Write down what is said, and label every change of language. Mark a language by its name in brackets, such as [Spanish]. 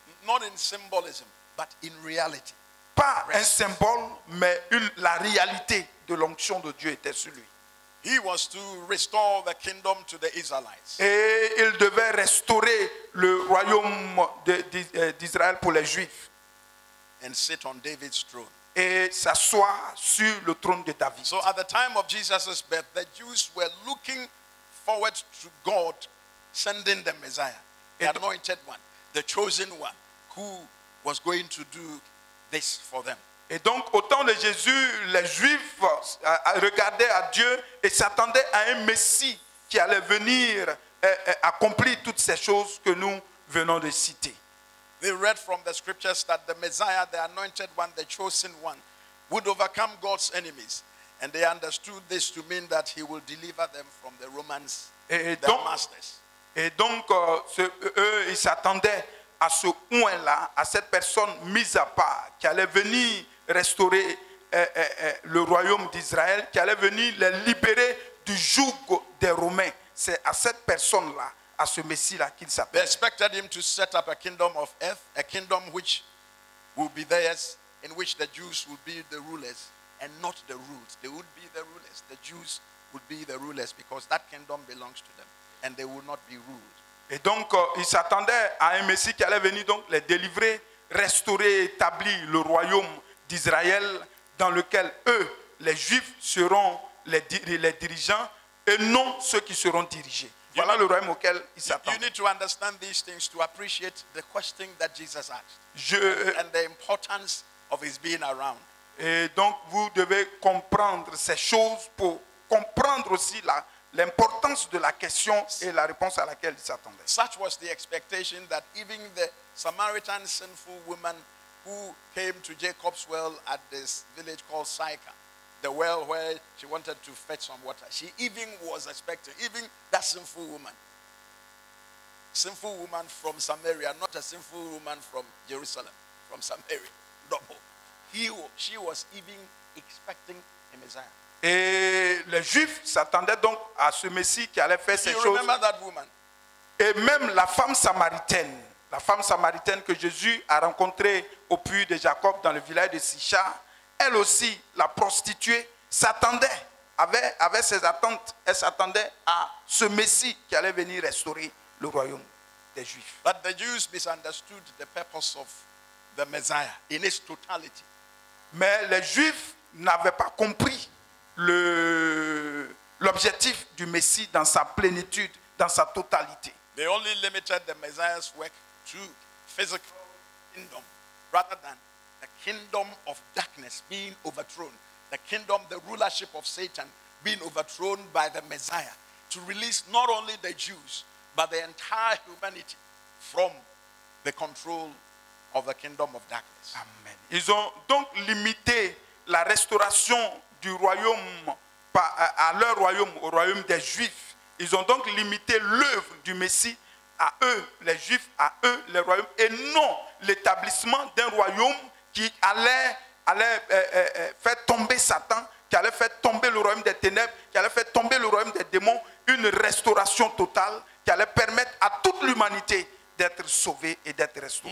[English] Not in symbolism, but in reality. [French] Pas un symbole, mais la réalité de l'onction de Dieu était sur lui. [English] He was to restore the kingdom to the Israelites. [French] Et il devait restaurer le royaume d'Israël pour les Juifs. [English] And sit on David's throne. [French] Et s'asseoir sur le trône de David. [English] So at the time of Jesus' birth, the Jews were looking forward to God sending the Messiah, the anointed one, the chosen one, who was going to do this for them. [French] Et donc, au temps de Jésus, les Juifs regardaient à Dieu et s'attendaient à un Messie qui allait venir accomplir toutes ces choses que nous venons de citer. [English] They read from the scriptures that the Messiah, the anointed one, the chosen one, would overcome God's enemies. And they understood this to mean that he will deliver them from the Romans, their masters. [French] Et donc, eux, ils s'attendaient à ce point-là, à cette personne mise à part, qui allait venir restaurer le royaume d'Israël, qui allait venir les libérer du joug des Romains. C'est à cette personne-là, à ce Messie-là, qu'ils s'appellent. [English] They expected him to set up a kingdom of earth, a kingdom which will be theirs, in which the Jews will be the rulers, and not the rulers. They would be the rulers. The Jews would be the rulers, because that kingdom belongs to them. And they will not be ruled. [French] Et donc, ils s'attendaient à un Messie qui allait venir donc les délivrer, restaurer, établir le royaume d'Israël dans lequel eux, les Juifs, seront les dirigeants et non ceux qui seront dirigés. Voilà le royaume auquel ils s'attendent. [English] You need to understand these things to appreciate the question that Jesus asked and the importance of his being around. [French] Et donc, vous devez comprendre ces choses pour comprendre aussi la l'importance de la question et la réponse à laquelle ils s'attendaient. [English] Such was the expectation that even the Samaritan sinful woman who came to Jacob's well at this village called Sychar, the well where she wanted to fetch some water, she even was expecting, even that sinful woman from Samaria, not a sinful woman from Jerusalem, from Samaria, double. She was even expecting a Messiah. [French] Et les Juifs s'attendaient donc à ce Messie qui allait faire ces choses. [English] That woman? [French] Et même la femme samaritaine que Jésus a rencontrée au puits de Jacob dans le village de Sychar, elle aussi, la prostituée, s'attendait, avait ses attentes, elle s'attendait à ce Messie qui allait venir restaurer le royaume des Juifs. [English] But the Jews misunderstood the purpose of the Messiah in its totality. [French] Mais les Juifs n'avaient pas compris l'objectif du Messie dans sa plénitude, dans sa totalité. [English] They only limited the Messiah's work to physical kingdom, rather than the kingdom of darkness being overthrown, the kingdom, the rulership of Satan being overthrown by the Messiah to release not only the Jews but the entire humanity from the control of the kingdom of darkness. Amen. [French] Ils ont donc limité la restauration du royaume à leur royaume, au royaume des Juifs. Ils ont donc limité l'œuvre du Messie à eux, les Juifs, à eux, les royaumes, et non l'établissement d'un royaume qui allait faire tomber Satan, qui allait faire tomber le royaume des ténèbres, qui allait faire tomber le royaume des démons, une restauration totale qui allait permettre à toute l'humanité d'être sauvée et d'être restaurée.